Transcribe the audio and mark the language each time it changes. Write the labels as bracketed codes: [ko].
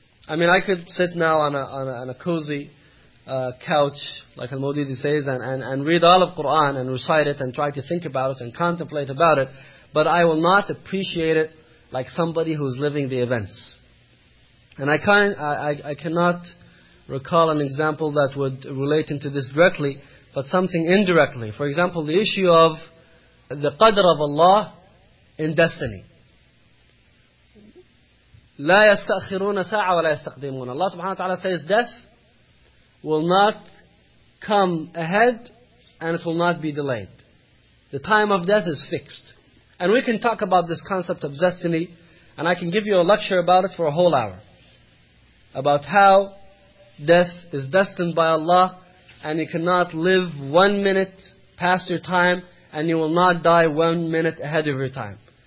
[en] I mean, I could sit now on a cozy couch, like Al-Mawdudi says, and read all of Qur'an and recite it and try to think about it and contemplate about it, but I will not appreciate it like somebody who's living the events. And I cannot recall an example that would relate into this directly, but something indirectly. For example, the issue of the qadr of Allah in destiny. [ar] لا يستأخرون ساعة ولا يستقدمون. [en] Allah subhanahu wa ta'ala says death will not come ahead and it will not be delayed. The time of death is fixed. And we can talk about this concept of destiny, and I can give you a lecture about it for a whole hour. About how death is destined by Allah, and you cannot live 1 minute past your time, and you will not die 1 minute ahead of your time.